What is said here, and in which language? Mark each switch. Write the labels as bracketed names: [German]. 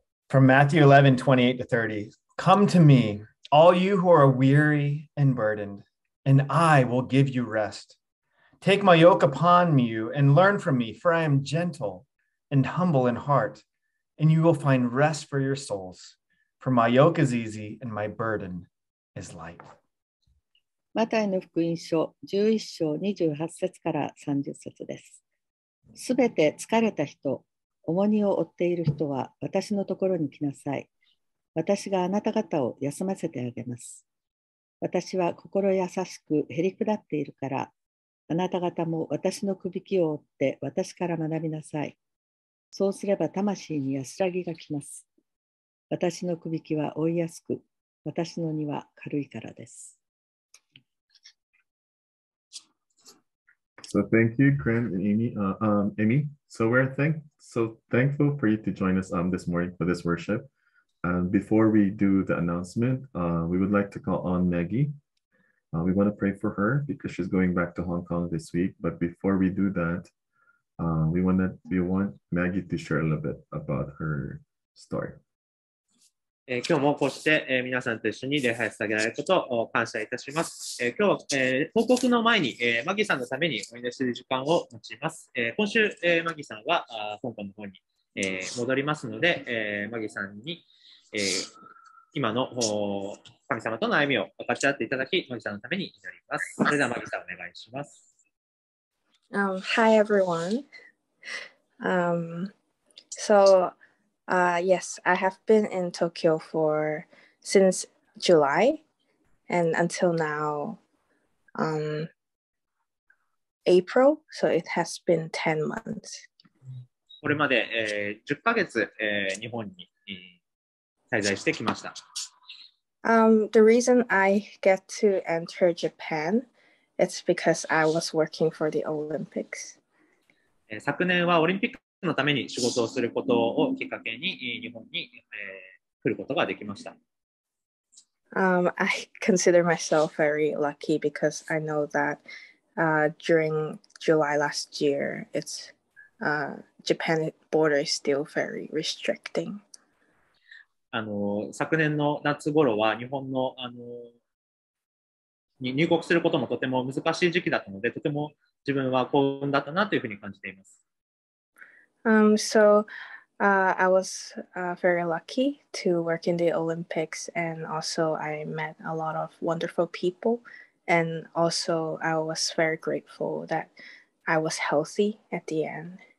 [English] From Matthew 11:28-30, come to me, all you who are weary and burdened, and I will give you rest. Take my yoke upon you and learn from me, for I am gentle and humble in heart, and you will find rest for your souls. For my yoke is easy and my burden is light. [Japanese] マタイの福音書11章28節から30節です。すべて疲れた人、重荷を負っている人は私のところに来なさい。私があなた方を休ませてあげます。私は心優しくへりくだっているから、あなた方も私の首輝を負って私から学びなさい。そうすれば魂に安らぎがきます。私の首輝きは追いやすく、私の荷は軽いからです。 [English] So thank you, Grim and Amy. Amy, so we're so thankful for you to join us this morning for this worship. And before we do the announcement, we would like to call on Maggie. We want to pray for her because she's going back to Hong Kong this week. But before we do that, we want Maggie to share a little bit about her story. [Japanese] 今日もこうして皆さんと一緒に礼拝を捧げられることを感謝いたします。今日報告の前にマギーさんのためにお祈りする時間を持ちます。今週マギーさんは香港の方に戻りますので、マギーさんに今の神様との歩みを分かち合っていただき、マギーさんのために祈ります。それではマギーさんお願いします。 [English] Hi everyone. Yes, I have been in Tokyo since July and until now April, so it has been 10 months. [Japanese] これまで、10ヶ月、日本に、滞在してきました。 [English] The reason I get to enter Japan is because I was working for the Olympics. [Japanese] 昨年はオリンピックのために仕事をすることをきっかけに日本に、来ることができました。 [English] I consider myself very lucky because I know that during July last year, Japan border is still very restricting. [Japanese] 昨年の夏頃は日本の入国することもとても難しい時期だったので、とても自分は幸運だったなというふうに感じています。 [English] I was very lucky to work in the Olympics, and also I met a lot of wonderful people, and also I was very grateful that I was healthy at the end.